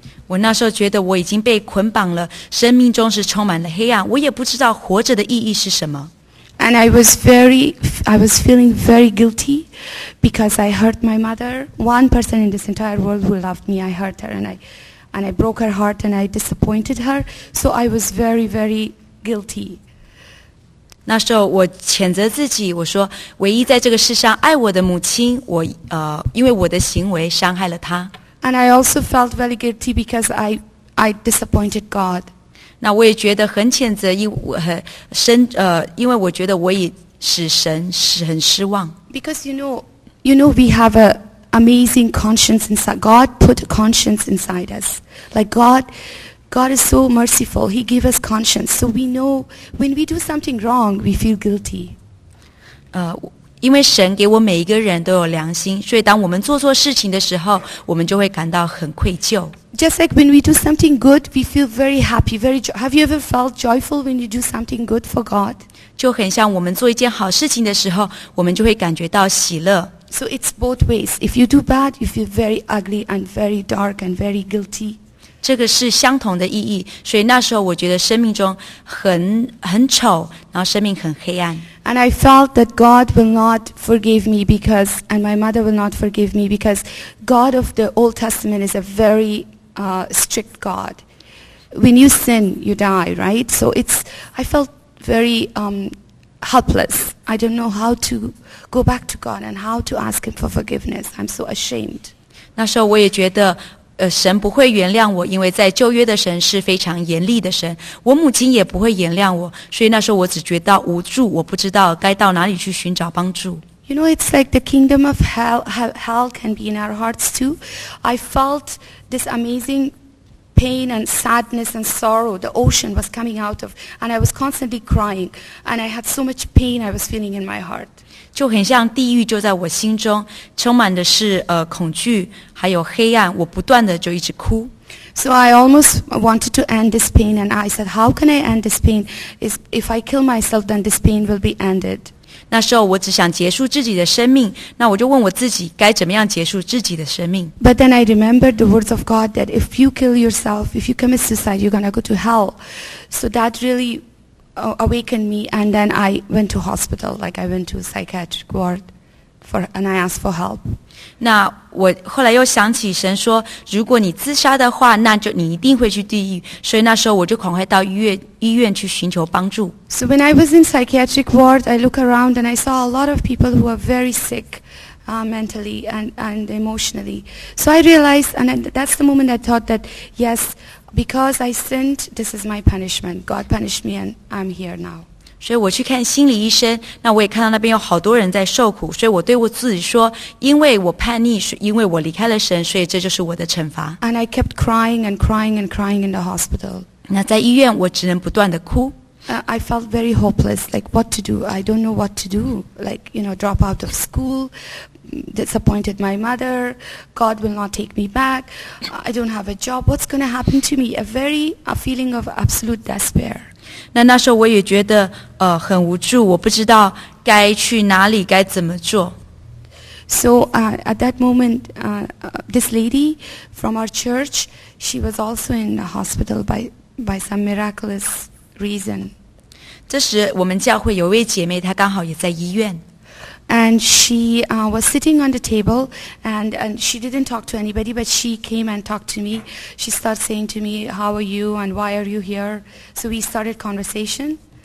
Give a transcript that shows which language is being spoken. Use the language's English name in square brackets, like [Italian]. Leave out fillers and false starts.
[Chinese] 我那时候觉得我已经被捆绑了，生命中是充满了黑暗，我也不知道活着的意义是什么。 [English] And I was feeling very guilty because I hurt my mother. One person in this entire world who loved me, I hurt her and I broke her heart and I disappointed her. So I was very, very guilty. [Chinese] 那时候我谴责自己，我说唯一在这个世上爱我的母亲，我因为我的行为伤害了她。 [English] And I also felt very guilty because I disappointed God. [Chinese] 那我也觉得很谴责，因为我觉得我也使神很失望。 [English] Because you know we have an amazing conscience inside. God put a conscience inside us. Like God is so merciful. He gave us conscience. So we know when we do something wrong, we feel guilty. [Chinese] 因为神给我每一个人都有良心，所以当我们做错事情的时候，我们就会感到很愧疚。 [English] Just like when we do something good, we feel very happy, very joy. Have you ever felt joyful when you do something good for God? [Chinese] 就很像我们做一件好事情的时候，我们就会感觉到喜乐。 [English] So it's both ways. If you do bad, you feel very ugly and very dark and very guilty. [Chinese] 这个是相同的意义，所以那时候我觉得生命中很丑，然后生命很黑暗。 [English] And I felt that God will not forgive me because, and my mother will not forgive me because God of the Old Testament is a very strict God. When you sin, you die, right? So I felt very helpless. I don't know how to go back to God and how to ask Him for forgiveness. I'm so ashamed. [Chinese] 那时候我也觉得神不会原谅我，因为在旧约的神是非常严厉的神，我母亲也不会原谅我，所以那时候我只觉得无助，我不知道该到哪里去寻找帮助。 [English] You know, it's like the kingdom of hell can be in our hearts too. I felt this amazing pain and sadness and sorrow. The ocean was coming out of, and I was constantly crying, and I had so much pain I was feeling in my heart. [Chinese] 就很像地狱就在我心中，充满的是恐惧，还有黑暗。我不断的就一直哭。 [English] So I almost wanted to end this pain, and I said, "How can I end this pain? If I kill myself, then this pain will be ended." [Chinese] 那时候我只想结束自己的生命，那我就问我自己该怎么样结束自己的生命。 [English] But then I remembered the words of God that if you kill yourself, if you commit suicide, you're gonna go to hell. So that really. Awakened me, and then I went to hospital, like I went to a psychiatric ward and I asked for help. [Chinese] 那我后来又想起神说， 如果你自杀的话， 那就你一定会去地狱， 所以那时候我就赶快到医院去寻求帮助。 [English] So when I was in psychiatric ward, I looked around and I saw a lot of people who were very sick mentally and emotionally. So I realized, and that's the moment I thought that, yes, because I sinned, this is my punishment. God punished me and I'm here now. [Chinese] 所以我去看心理医生，那我也看到那边有好多人在受苦，所以我对我自己说，因为我叛逆，因为我离开了神，所以这就是我的惩罚。 [English] And I kept crying and crying and crying in the hospital. [Chinese] 那在医院我只能不断地哭。 [English] I felt very hopeless, like what to do? I don't know what to do. Like, you know, drop out of school, disappointed my mother, God will not take me back, I don't have a job, what's going to happen to me? A feeling of absolute despair. [Chinese] 那时候我也觉得 很无助， 我不知道该去哪里，该怎么做。 [English] So at that moment, this lady from our church, she was also in the hospital by some miraculous reason. [Chinese] 这时我们教会有位姐妹， 她刚好也在医院。 [English] And she was sitting on the table, and she didn't talk to anybody, but she came and talked to me. She started saying to me, how are you and why are you here? So we started conversation.